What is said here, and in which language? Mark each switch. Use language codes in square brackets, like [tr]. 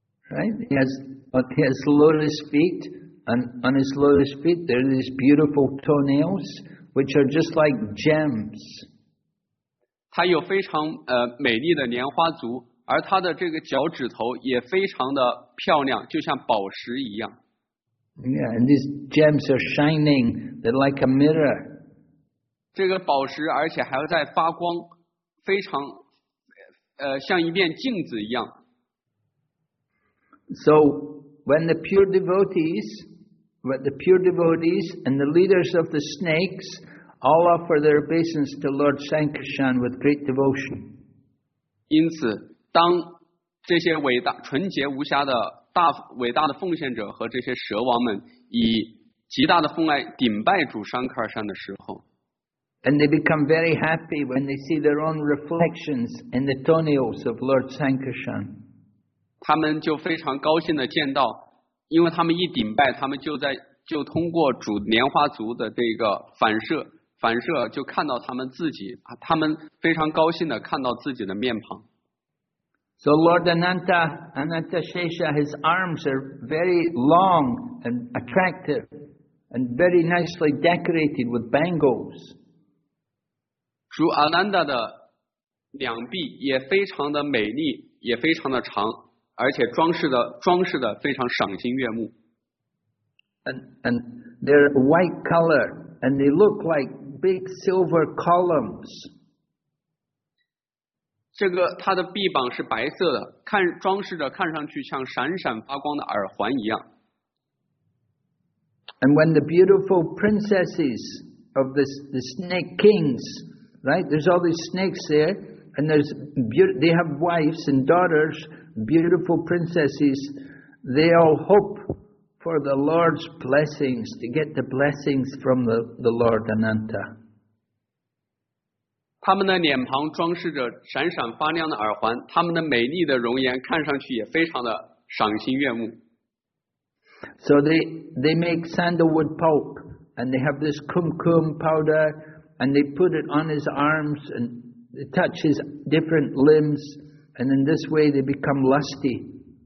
[en] Right, he has lotus feet, and on his lotus feet there are these beautiful toenails, which are just like gems. [zh] 他有非常美丽的莲花足，而他的这个脚趾头也非常的漂亮，就像宝石一样。 [en] Yeah, and these gems are shining, they're like a mirror. [zh] 这个宝石而且还在发光。非常像一面镜子一样。 [en] So when the pure devotees and the leaders of the snakes all offer their obeisance to Lord Sankarshan with great devotion. [zh] 因此当这些伟大纯洁无瑕的大伟大的奉献者和这些蛇王们以极大的奉爱顶拜主 Sankarshan 的时候， [en] And they become very happy when they see their own reflections in the toenails of Lord Sankarshan. [zh] 他们就非常高兴地见到，因为他们一顶拜，他们就通过主莲花足的这个反射，就看到他们自己，他们非常高兴地看到自己的面庞。 [en] So Lord Ananta Shesha, his arms are very long and attractive and very nicely decorated with bangles. [zh] 主阿兰达的两臂也非常的美丽，也非常的长，而且装饰的非常赏心悦目。 [en] And they're white color, and they look like big silver columns. [zh] 这个它的臂膀是白色的，看上去像闪闪发光的耳环一样。 [en] And when the beautiful princesses of the snake kings. Right, there's all these snakes there, and they have wives and daughters, beautiful princesses. They all hope for the Lord's blessings, to get the blessings from the Lord Ananta. [zh] 他们的脸庞装饰着闪闪发亮的耳环，他们的美丽的容颜看上去也非常的赏心悦目。 [en] So they make sandalwood pulp, and they have this kumkum powder, and they put it on his arms and touch his different limbs, and in this way they become lusty.